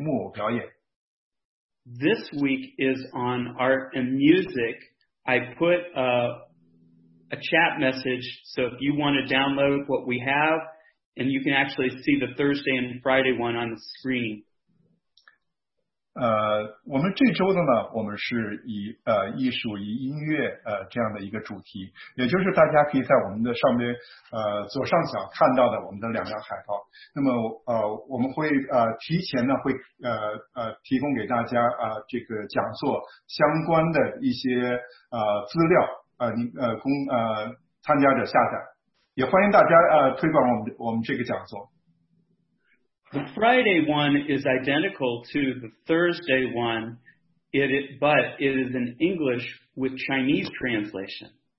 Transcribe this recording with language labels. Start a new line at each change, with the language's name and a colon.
Chinese: 我们每周我们会有非常好的主题，然后我们还有一些木偶表演。This
English: week is on art and music. I put a chat message, so if you want to download what we have, and you can actually see the Thursday and Friday one on the screen.
Chinese: 我们这周的呢，我们是以艺术与音乐这样的一个主题，也就是大家可以在我们的上面左上角看到的我们的两张海报。那么我们会提前呢会提供给大家这个讲座相关的一些资料，供参加者下载，也欢迎大家推广我们这个讲座。
English: The Friday one is identical to the Thursday one, but it is in English with Chinese translation.